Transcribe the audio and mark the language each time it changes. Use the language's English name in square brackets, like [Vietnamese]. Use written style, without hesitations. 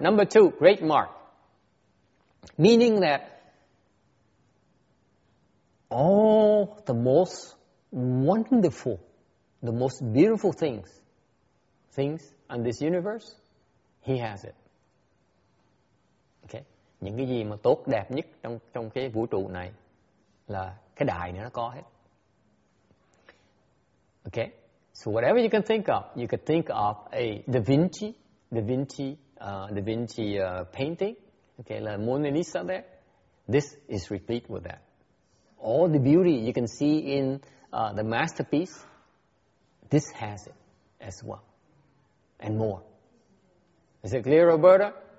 [English] Number two, great mark. Meaning that all the most wonderful, the most beautiful things in this universe, he has it. Okay? [Vietnamese] Những cái gì mà tốt đẹp nhất trong cái vũ trụ này là cái đại này nó có hết. [English] Okay? So whatever you can think of, you could think of a Da Vinci painting, okay, the Mona Lisa there. This is replete with that. All the beauty you can see in the masterpiece, this has it as well, and more. Is it clear, Roberta?